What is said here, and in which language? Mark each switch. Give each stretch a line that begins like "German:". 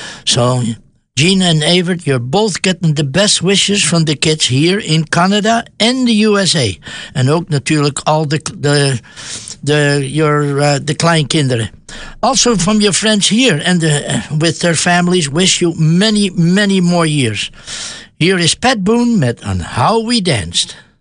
English: So, Jean and Evert, you're both getting the best wishes from the kids here in Canada and the USA.
Dutch: En ook natuurlijk al the kleinkinderen.
English: Also from your friends here and with their families, wish you many, many more years. Here is Pat Boone met On How We Danced.